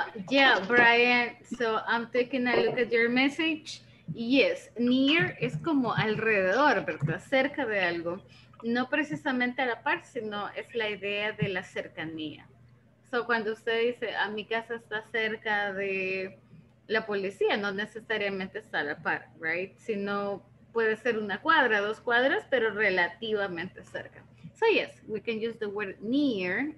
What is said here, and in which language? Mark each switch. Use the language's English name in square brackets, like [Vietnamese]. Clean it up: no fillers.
[English] Yeah, Brian, so I'm taking a look at your message. [Spanish] Yes, near es como alrededor, ¿verdad? Cerca de algo. No precisamente a la par, sino es la idea de la cercanía. So cuando usted dice, a mi casa está cerca de la policía, no necesariamente está a la par, right? Sino puede ser una cuadra, dos cuadras, pero relativamente cerca. [English] So yes, we can use the word near.